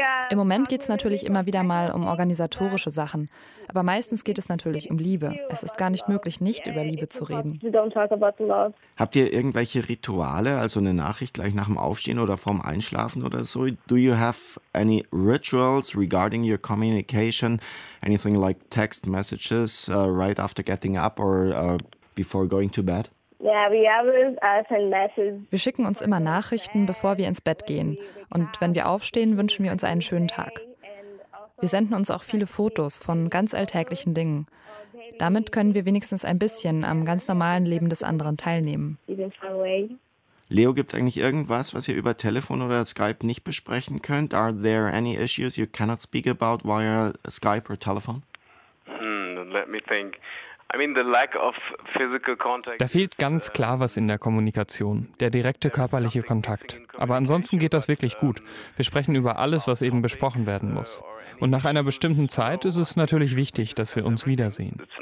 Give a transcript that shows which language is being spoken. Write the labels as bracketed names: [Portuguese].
[German] Im Moment geht es natürlich immer wieder mal um organisatorische Sachen. Aber meistens geht es natürlich um Liebe. Es ist gar nicht möglich, nicht über Liebe zu reden. Habt ihr irgendwelche Rituale, also eine Nachricht gleich nach dem Aufstehen oder vorm Einschlafen oder so? [English] Do you have any rituals regarding your communication? Anything like text messages right after getting up or before going to bed? [German] Wir schicken uns immer Nachrichten, bevor wir ins Bett gehen. Und wenn wir aufstehen, wünschen wir uns einen schönen Tag. Wir senden uns auch viele Fotos von ganz alltäglichen Dingen. Damit können wir wenigstens ein bisschen am ganz normalen Leben des anderen teilnehmen. Leo, gibt es eigentlich irgendwas, was ihr über Telefon oder Skype nicht besprechen könnt? [English] Are there any issues you cannot speak about via Skype or telephone? Let me think. The lack of physical contact. [German] Da fehlt ganz klar was in der Kommunikation, der direkte körperliche Kontakt. Aber ansonsten geht das wirklich gut. Wir sprechen über alles, was eben besprochen werden muss. Und nach einer bestimmten Zeit ist es natürlich wichtig, dass wir uns wiedersehen.